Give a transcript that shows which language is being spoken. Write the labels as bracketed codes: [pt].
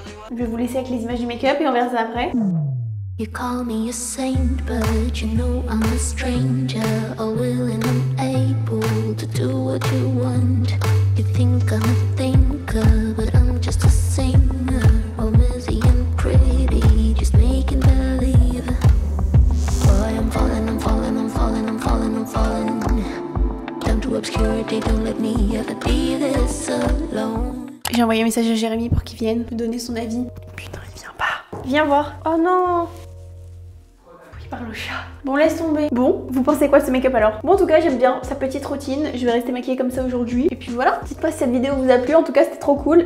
[fr] Je vais vous laisser avec les images du make-up et on verra ça après. [en] You call me a saint, but you know I'm a stranger. A willing and able to do what you want. You think I'm a thinker, but I'm just a singer. All busy and pretty, just making believe. Boy, I'm falling, I'm falling, I'm falling, I'm falling, I'm falling. Down to obscurity, don't let me ever be this alone. [fr] J'ai envoyé un message à Jérémy pour qu'il vienne me donner son avis. Putain, il vient pas. Viens voir. Oh non! Par le chat. Bon, laisse tomber. Bon, vous pensez quoi de ce make-up alors? Bon, en tout cas, j'aime bien sa petite routine. Je vais rester maquillée comme ça aujourd'hui. Et puis voilà. Dites-moi si cette vidéo vous a plu. En tout cas, c'était trop cool.